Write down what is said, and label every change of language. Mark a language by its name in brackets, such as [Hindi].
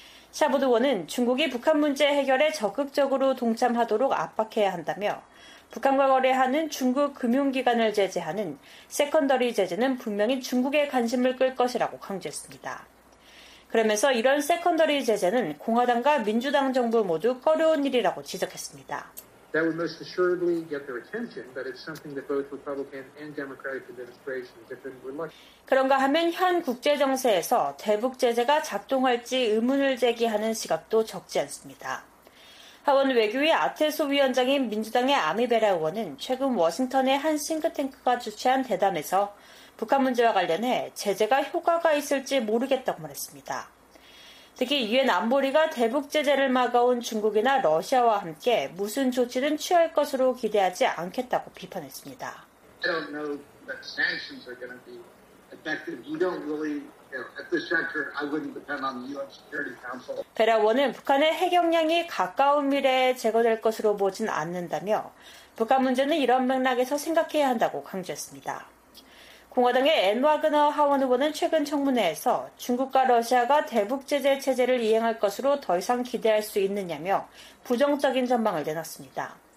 [Korean] 샤봇 의원은 중국이 북한 문제 해결에 적극적으로 동참하도록 압박해야 한다며 북한과 거래하는 중국 금융기관을 제재하는 세컨더리 제재는 분명히 중국의 관심을 끌 것이라고 강조했습니다. 그러면서 이런 세컨더리 제재는 공화당과 민주당 정부 모두 꺼려온 일이라고 지적했습니다. [English] That would most assuredly get their attention, but it's something that both Republican and Democratic administrations have been reluctant. [Korean] 그런가 하면 현 국제 정세에서 대북 제재가 작동할지 의문을 제기하는 시각도 적지 않습니다. 하원 외교위 아태소 위원장인 민주당의 아미베라 의원은 최근 워싱턴의 한 싱크탱크가 주최한 대담에서 북한 문제와 관련해 제재가 효과가 있을지 모르겠다고 말했습니다. 특히 유엔 안보리가 대북 제재를 막아온 중국이나 러시아와 함께 무슨 조치든 취할 것으로 기대하지 않겠다고 비판했습니다. [English] I don't know that sanctions are going to be effective. You don't really, at this juncture, I wouldn't depend on the UN Security Council. [Korean] 베라 원은 북한의 핵 역량이 가까운 미래에 제거될 것으로 보진 않는다며 북한 문제는 이런 맥락에서 생각해야 한다고 강조했습니다. 공화당의 앤 와그너 하원 의원은 최근 청문회에서 중국과 러시아가 대북 제재 체제를 이행할 것으로 더 이상 기대할 수 있느냐며 부정적인 전망을 내놨습니다.